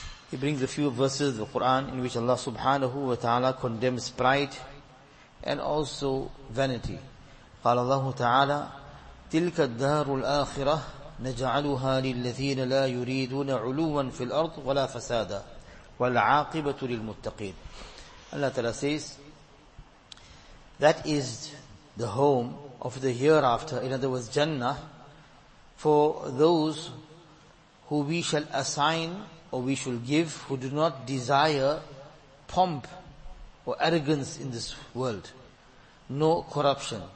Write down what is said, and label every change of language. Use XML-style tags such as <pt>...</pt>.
<en>He brings a few verses of the Quran in which Allah subhanahu wa ta'ala condemns pride and also vanity.</en> <ar>قال الله تعالى تلك الدار الآخرة نجعلها للذين لا يريدون علوا في الأرض ولا فسادا والعاقبة للمتقين.</ar> <en>Allah Ta'ala says that is the home of the hereafter, in other words Jannah, for those who we shall assign or we shall give who do not desire pomp or arrogance in this world. No corruption.</en>